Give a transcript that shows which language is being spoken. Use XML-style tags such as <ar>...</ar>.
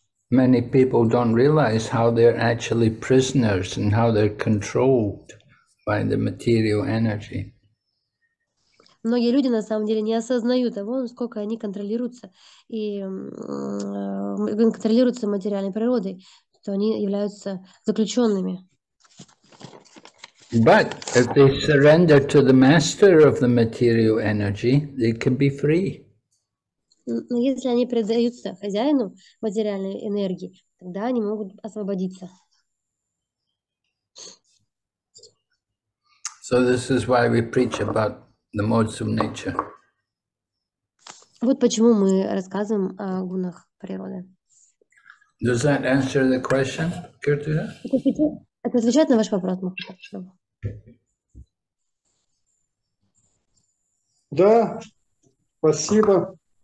<en>Many people don't realize how they're actually prisoners and how they're controlled by the material energy.</en> <ru>Многие люди на самом деле не осознают того, насколько они контролируются и контролируются материальной природой, что они являются заключенными.</ru> <en>But if they surrender to the master of the material energy, they can be free.</en> <ru>Но если они предаются хозяину материальной энергии, тогда они могут освободиться.</ru> <en>So this is why we preach about the modes of nature.</en> <ru>Вот почему мы рассказываем о гунах природы.</ru> <en>Does that answer the question, Kirtuja?</en> <ru>Это отвечает на ваш вопрос, Махарадж? Да, спасибо.</ru>